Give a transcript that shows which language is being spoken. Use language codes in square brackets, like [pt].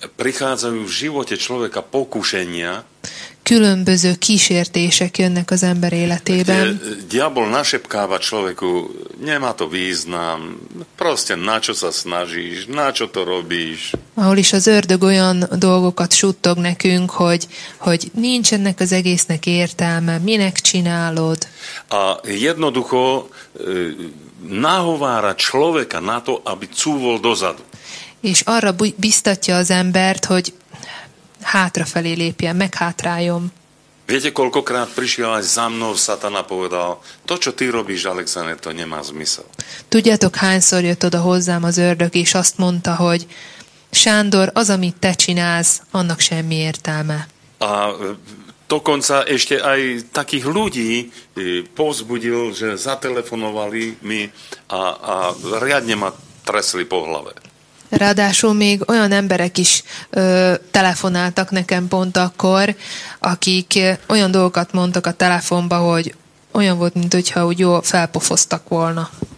[sk] Prichádzajú v živote človeka pokušenia. [hu] Különböző kísértések jönnek az ember életében. [sk] Diabol našepkáva človeku, nemá to význam, proste na čo sa snažíš, na čo to robíš. [hu] Ahol is az ördög olyan dolgokat suttog nekünk, hogy nincs ennek az egésznek értelme, minek csinálod. [sk] A jednoducho nahovára človeka na to, aby cúvol dozadu. [hu] És arra biztatja az embert, hogy hátrafelé lépjen, meghátráljon. [sk] Viete, koľkokrát prišiel aj za mnou, Satana povedal, to, čo ty robíš, Alexander, to nemá zmysel. [hu] Tudjátok, hányszor jött oda hozzám az ördög, és azt mondta, hogy Sándor, az, amit te csinálsz, annak semmi értelme. [sk] A dokonca ešte aj takých ľudí povzbudil, že zatelefonovali mi a riadne ma tresli po hlave. [hu] Ráadásul még olyan emberek is telefonáltak nekem pont akkor, akik olyan dolgokat mondtak a telefonba, hogy olyan volt, mint hogyha úgy jól felpofoztak volna.